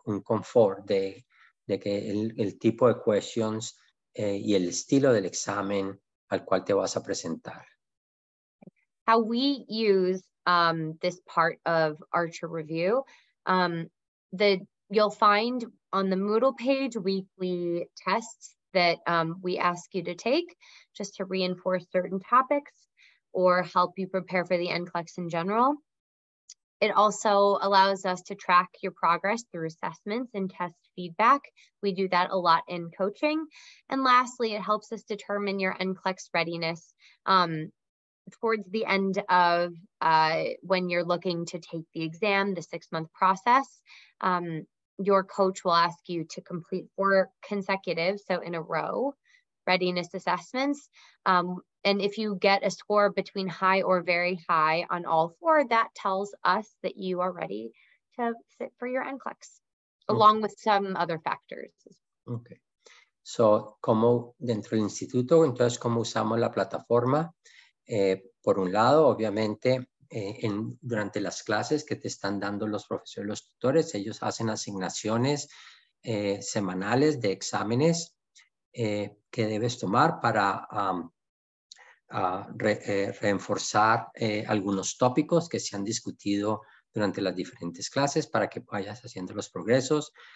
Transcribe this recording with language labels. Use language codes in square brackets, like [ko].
[es] un confort de que el tipo de questions y el estilo del examen al cual te vas a presentar. [en] How we use this part of Archer Review, you'll find on the Moodle page weekly tests that we ask you to take just to reinforce certain topics or help you prepare for the NCLEX in general. It also allows us to track your progress through assessments and test feedback. We do that a lot in coaching. And lastly, it helps us determine your NCLEX readiness towards the end of when you're looking to take the exam, the 6-month process. Your coach will ask you to complete 4 consecutive, so in a row, readiness assessments. And if you get a score between high or very high on all 4, that tells us that you are ready to sit for your NCLEX, along with some other factors. Okay. [es] So, como dentro del instituto, entonces, ¿cómo usamos la plataforma? Por un lado, obviamente, durante las clases que te están dando los profesores, los tutores, ellos hacen asignaciones semanales de exámenes que debes tomar para reforzar algunos tópicos que se han discutido durante las diferentes clases para que vayas haciendo los progresos.